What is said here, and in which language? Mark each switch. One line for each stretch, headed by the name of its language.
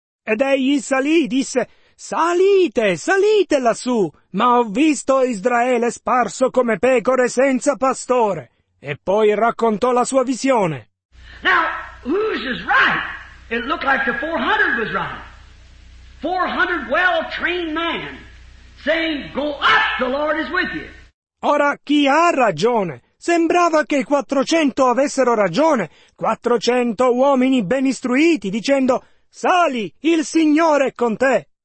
Italian: Ed egli salì, disse, salite, salite lassù, ma ho visto Israele sparso come pecore senza pastore. E poi raccontò la sua visione.
English: Now, whose is right? It looked like the 400 was right. 400 well-trained men saying, go up, the Lord is with you.
Italian: Ora, chi ha ragione? Sembrava che i 400 avessero ragione. 400 uomini ben istruiti dicendo, sali, il Signore è con te.